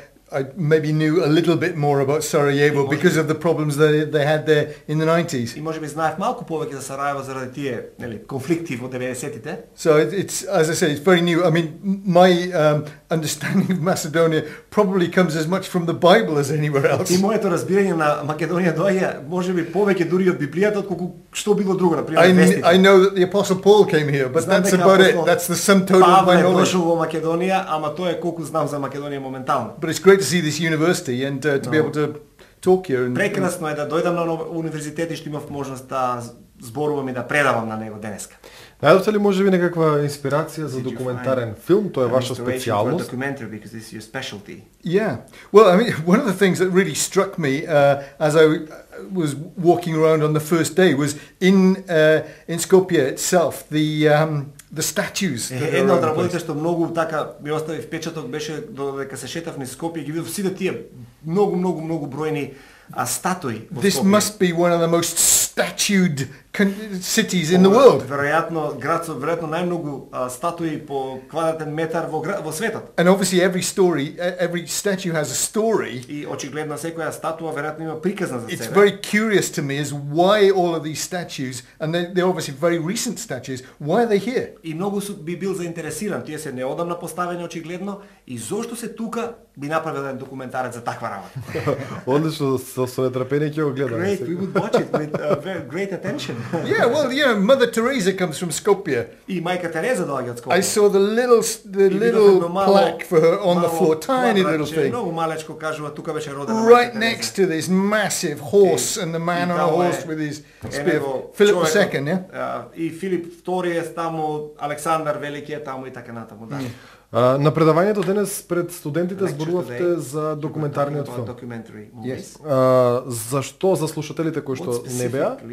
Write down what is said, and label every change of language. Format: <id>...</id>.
<en>I maybe knew a little bit more about Sarajevo because of the problems that they had there in the 90s.</en> <mk>И можеби знаев малку повеќе за Сарајево заради тие, нели, конфликти во 90-тите.</mk> <en>So it's, as I say, it's very new. I mean, my understanding of Macedonia probably comes as much from the Bible as anywhere else.</en> <mk>И моето разбирање на Македонија доаѓа можеби повеќе дури од Библијата отколку што било друго, на пример,</mk> <en>I know that the apostle Paul came here, but that's about it. That's the sum total of my knowledge.</en> <mk>Павле дошол во Македонија, ама тоа е колку знам за Македонија моментално.</mk> <en>Great to see this university and to be able to talk here.</en> <mk>Прекрасно е да дојдам на универзитет и што имав можност да зборувам и да предавам на него денеска. Најдовте ли можеби некаква инспирација за документарен филм? Тоа е ваша специјалност.</mk> <en>Documentary because this is your specialty. Yeah. Well, I mean, one of the things that really struck me as I was walking around on the first day was in Skopje itself, the statues.</en> <mk>Една од работите што многу така ми остави впечаток беше додека се шетав низ Скопје и ги видов сите тие многу многу многу бројни статуи во Скопје.</mk> <en>This must be one of the most statued cities in the world.</en> <mk>Веројатно град со веројатно најмногу статуи по квадратен метар во светот.</mk> <en>And obviously every story, every statue has a story.</en> <mk>И очигледно секоја статуа веројатно има приказна за себе.</mk> <en>It's very curious to me is why all of these statues, and they're obviously very recent statues, why are they here?</en> <mk>И многу би бил заинтересиран, тие се неодамна поставени очигледно, и зошто се тука би направил еден документарец за таква работа. Одлично, со нетрапение ќе го гледам.</mk> <en>Great, we would watch it with great attention. Yeah, well, you know, Mother Teresa comes from Skopje.</en> <mk>И мајка Тереза доаѓа од Скопје.</mk> <en>I saw the little plaque for her on the floor, tiny little thing.</en> <mk>Многу малечко кажува тука беше родена.</mk> <en>Right next to this massive horse and the man on a horse with his spear. Philip II, yeah.</en> <mk>И Филип II е таму, Александар Велики е таму и така натаму, да. На предавањето денес пред студентите зборувавте за документарниот филм.</mk> <en>Yes.</en> <mk>Зашто за слушателите кои што не беа?</mk>